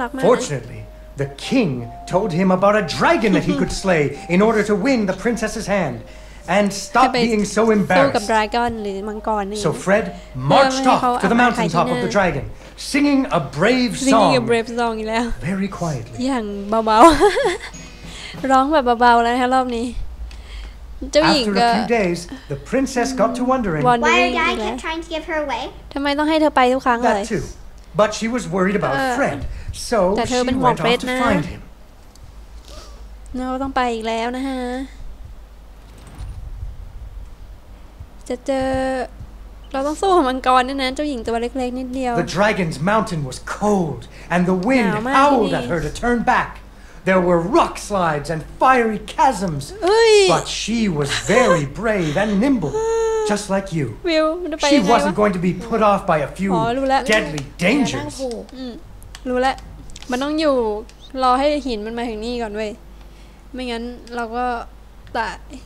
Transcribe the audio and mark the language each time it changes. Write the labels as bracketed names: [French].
[English] Fortunately, the king told him about a dragon that he could slay in order to win the princess's hand. And stop being so embarrassed. So Fred marched off to the mountain top of the dragon, singing a brave song. Very quietly. [Thai] อย่างเบาๆร้องแบบเบาๆแล้วนะคะรอบนี้เจ้าหญิงก็ [English] After a few days, the princess got to wondering. Why are Dad kept trying to give her away? [Thai] ทำไมต้องให้เธอไปทุกครั้งเลย [English] That too. But she was worried about Fred, so she went off to find him. [Thai] เราต้องไปอีกแล้วนะฮะจะเจอเราต้องสู้กับมังกรนี่นะเจ้าหญิงตัวเล็กๆนิดเดียว [English] The dragon's mountain was cold and the wind howled at her to turn back. There were rock slides and fiery chasms. But she was very brave and nimble, just like you. She wasn't going to be put off by a few deadly dangers. [Thai] รู้แล้วมันต้องอยู่รอให้หินมันมาถึงนี่ก่อนเว้ยไม่งั้นเราก็ตาย